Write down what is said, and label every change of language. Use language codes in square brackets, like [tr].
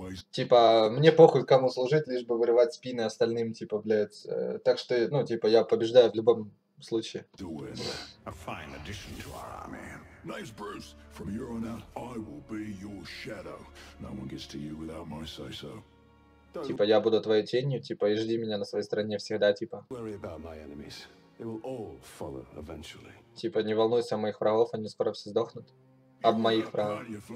[ru] Типа, мне похуй, кому служить, лишь бы вырывать спины остальным, типа, блядь. Так что, ну, типа, я побеждаю в любом случае. [en] Name's Bruce. From here on out, I will be your shadow. No one gets to you without my say-so. [ru] Типа, я буду твоей тенью, типа, и жди меня на своей стороне всегда, типа. [en] Worry about my enemies. They will all follow eventually. [ru] Типа, не волнуйся о моих врагов, они скоро все сдохнут. Об моих врагах.